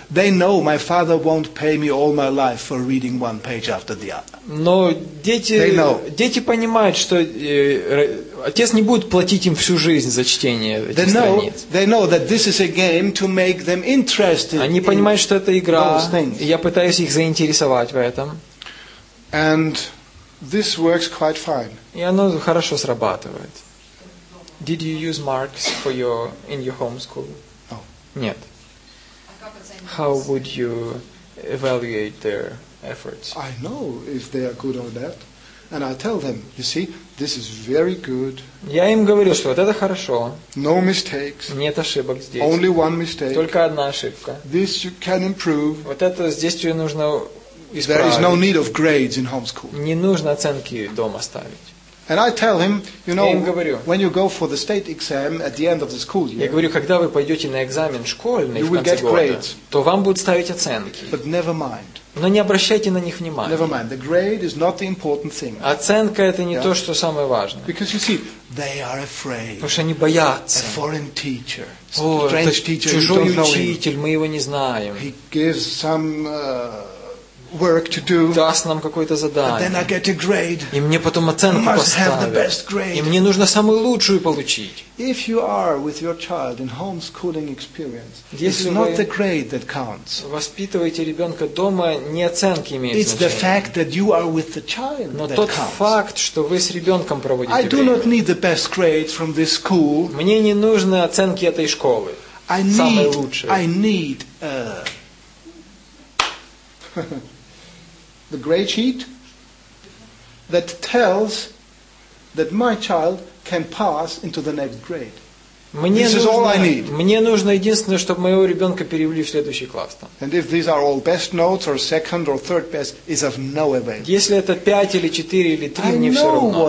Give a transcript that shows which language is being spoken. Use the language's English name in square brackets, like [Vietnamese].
[English] They know my father won't pay me all my life for reading one page after the other. [Russian] Но дети понимают, что отец не будет платить им всю жизнь за чтение этих страниц. [English] They know that this is a game to make them interested. [Russian] Они понимают, что это игра. Я пытаюсь их заинтересовать в этом. [English] And this works quite fine. [Russian] И оно хорошо срабатывает. [English] Did you use marks in your home school? No. [Russian] Нет. [English] How would you evaluate their efforts? I know if they are good or bad, and I tell them, you see, this is very good. [Russian] Я им говорю, что вот это хорошо. [English] No mistakes. [Russian] Нет ошибок здесь. [English] Only one mistake. [Russian] Только одна ошибка. [English] This you can improve. [Russian] Вот это здесь тебе нужно исправить. [English] There is no need of grades in home school. [Russian] Не нужно оценки дома ставить. [English] And I tell him, you know, when you go for the state exam at the end of the school year, [Russian] я говорю, когда вы пойдете на экзамен школьный, [English] you will get grades, [Russian] то вам будут ставить оценки. [English] But never mind. [Russian] Но не обращайте на них внимания. [English] Never mind. The grade is not the important thing. [Russian] Оценка это не то, что самое важное. [English] Because you see, they are afraid. [Russian] Потому что они боятся. [English] A foreign teacher, strange teacher, you don't know. [Russian] Чужой учитель, мы его не знаем. [English] He gives some work to do. [Russian] Даст нам какое-то задание. [English] And then I get a grade. [Russian] И мне потом оценку поставят. И мне нужно самую лучшую получить. [English] If you are with your child in homeschooling experience, it's not the grade that counts. [Russian] Воспитываете ребенка дома, не оценки имеют значение. [English] It's the fact that you are with the child that counts. [Russian] Но тот факт, что вы с ребенком проводите время. [English] I do not need the best grade from this school. [Russian] Мне не нужны оценки этой школы. Самые лучшие. [English] I need the grade sheet that tells that my child can pass into the next grade. [Russian] Мне нужно единственное, чтобы моего ребенка перевели в следующий класс. [English] And if these are all best notes or second or third best, is of no avail. [Russian] Если это 5 или 4 или 3, мне все равно.